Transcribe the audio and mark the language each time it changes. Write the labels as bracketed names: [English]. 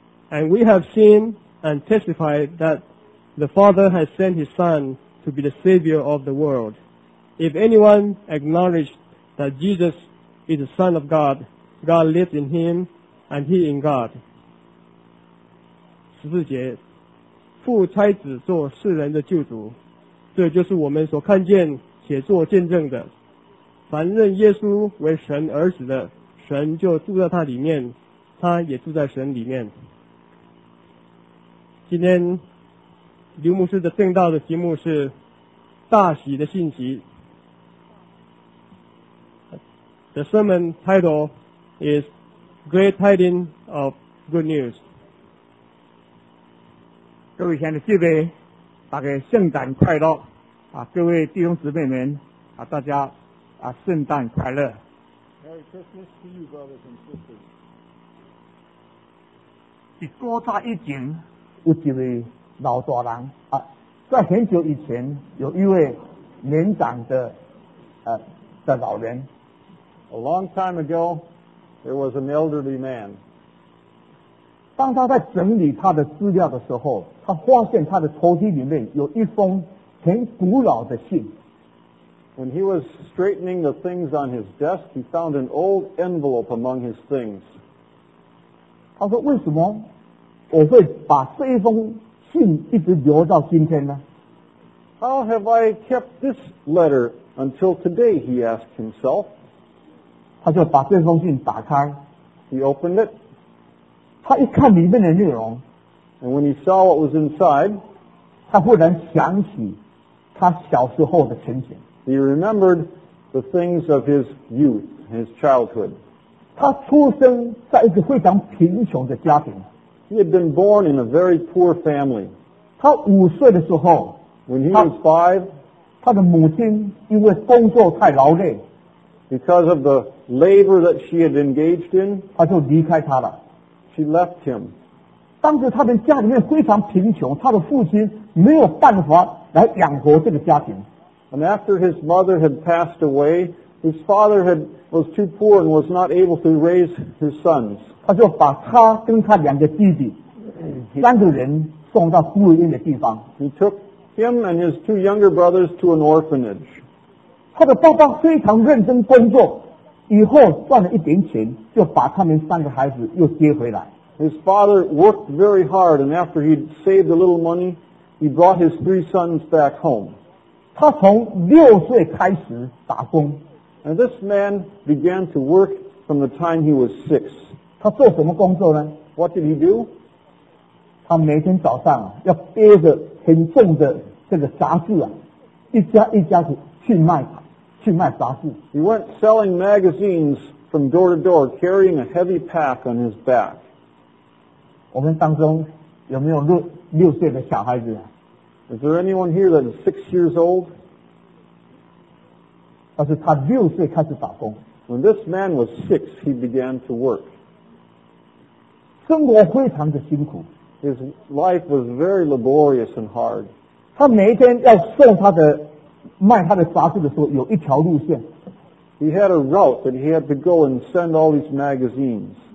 [English] And we have seen and testified that the Father has sent his Son to be the Savior of the world. If anyone acknowledges that Jesus is the Son of God, God lives in him and he in God. [Chinese] 14节，父差子做世人的救主，这就是我们所看见且做见证的。凡认耶稣为神儿子的，神就住在他里面，他也住在神里面。今天刘牧师的证道的题目是大喜的信息。 [English] The sermon title is Great Tidings of Good News. [Chinese] 各位亲爱的姐妹，大家圣诞快乐啊！各位弟兄姊妹们啊，大家啊，圣诞快乐。 [English] Merry Christmas to you, brothers and sisters. [Chinese] 是古早以前有一位老大人啊，在很久以前有一位年长的老人。 [English] A long time ago, there was an elderly man. [Chinese] 当他在整理他的资料的时候，他发现他的抽屉里面有一封很古老的信。 [English] When he was straightening the things on his desk, he found an old envelope among his things. [Chinese] 他说：“为什么我会把这一封信一直留到今天呢？” [English] How have I kept this letter until today? He asked himself. [Chinese] 他就把这封信打开 [English] ，He opened it. [Chinese] 他一看里面的内容 [English] ，And when he saw what was inside, [Chinese] 他忽然想起他小时候的情景。 [English] He remembered the things of his youth, his childhood. [Chinese] 他出生在一个非常贫穷的家庭。 [English] He had been born in a very poor family. [Chinese] 他五岁的时候 [English] ，When he was five, [Chinese] 他的母亲因为工作太劳累。 [English] Because of the labor that she had engaged in, [Chinese] 他就离开他了。 [English] She left him. [Chinese] 当时他们家里面非常贫穷，他的父亲没有办法来养活这个家庭。 [English] And after his mother had passed away, his father was too poor and was not able to raise his sons. [Chinese] 他就把他跟他两个弟弟三个人送到孤儿院的地方。 [English] He took him and his two younger brothers to an orphanage. [Chinese] 他的爸爸非常认真工作，以后赚了一点钱，就把他们三个孩子又接回来。 [English] His father worked very hard, and after he'd saved a little money, he brought his three sons back home. [Chinese] 他从六岁开始打工。 [English] And this man began to work from the time he was six. [Chinese] 他做什么工作呢 [English] ？What did he do? [Chinese] 他每天早上啊，要背着很重的这个杂志啊，一家一家去。去卖杂志。 [English] He went selling magazines from door to door, carrying a heavy pack on his back. [Chinese] 我们当中有没有六岁的小孩子啊？ [English] Is there anyone here that is 6 years old? [Chinese] 但是他六岁开始打工。 [English] When this man was six, he began to work. [Chinese] 生活非常的辛苦。 [English] His life was very laborious and hard. [Chinese] 他每一天要送他的卖他的杂志的时候有一条路线。 [English] He had a route that he had to go and send all these magazines.